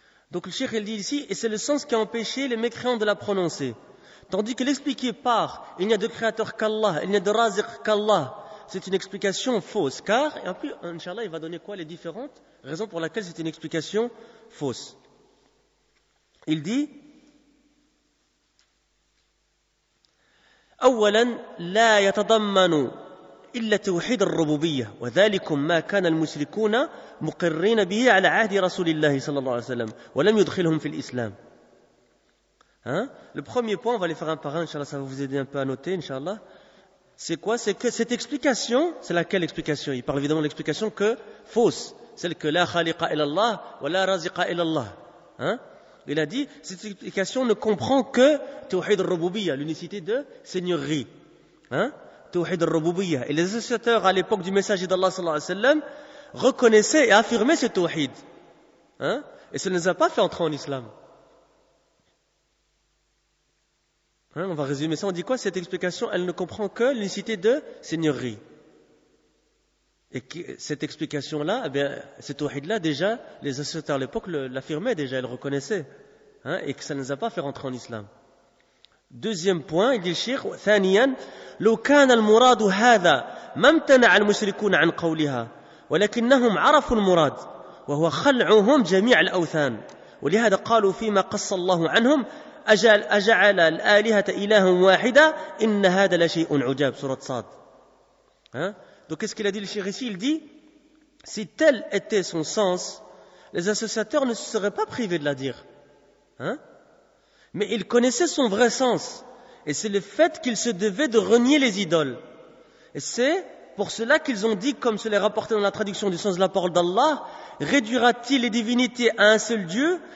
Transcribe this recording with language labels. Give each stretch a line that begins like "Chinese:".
French: Donc le cheikh, il dit ici, et c'est le sens qui a empêché les mécréants de la prononcer. Tandis que l'expliquer par « il n'y a de créateur qu'Allah, il n'y a de raziq qu'Allah », c'est une explication fausse. Car, et en plus, Inch'Allah, il va donner quoi, les différentes raisons pour lesquelles c'est une explication fausse. Il dit
Arabic: « أولاً لا يتضمن إلا توحيد الربوبية وذلكم ما كان المشركون مقرين به على عهد رسول الله صلى الله عليه وسلم ولم يدخلهم في الإسلام. »
French: Hein? Le premier point, on va les faire un par un, inchallah, ça va vous aider un peu à noter, inchallah. C'est quoi? C'est que cette explication, c'est laquelle explication? Il parle évidemment de l'explication que fausse. Celle que
Arabic: la khaliqa illallah wa la raziqa illallah. Hein?
French: Il a dit, cette explication ne comprend que tawhid al-rububiyya, l'unicité de seigneurie. Hein? Tawhid al-rububiyya. Et les associateurs à l'époque du messager d'Allah sallallahu alayhi wa sallam reconnaissaient et affirmaient ce tawhid. Hein? Et ça ne les a pas fait entrer en islam. Hein, on va résumer ça, on dit quoi? Cette explication, elle ne comprend que l'unicité de seigneurie. Et que, cette explication-là, eh bien, cette tawhid-là, déjà, les associateurs à l'époque l'affirmaient déjà, ils le reconnaissaient. Hein, et que ça ne les a pas fait rentrer en islam. Deuxième point, il dit le shaykh,
Arabic: « ثانياً, لو كان المراد هذا ممتنع المشركون عن قولها ولكنهم عرفوا المراد وهو خلعهم جميع الأوثان ولهذا قالوا فيما قص الله عنهم أجعل الآلهة إلها واحدة إن هذا لشيء عجاب سورة صاد.
French: Hein? Donc qu'est-ce qu'il a dit le shaykh ici? Il dit, si tel était son sens, les associateurs ne se seraient pas privés de la dire. Hein? Mais il connaissait son vrai sens, et c'est le fait qu'il se devait de renier les idoles. Et c'est pour cela qu'ils ont dit, comme cela est rapporté dans la traduction du sens de la parole d'Allah, réduira-t-il les divinités à un seul Dieu?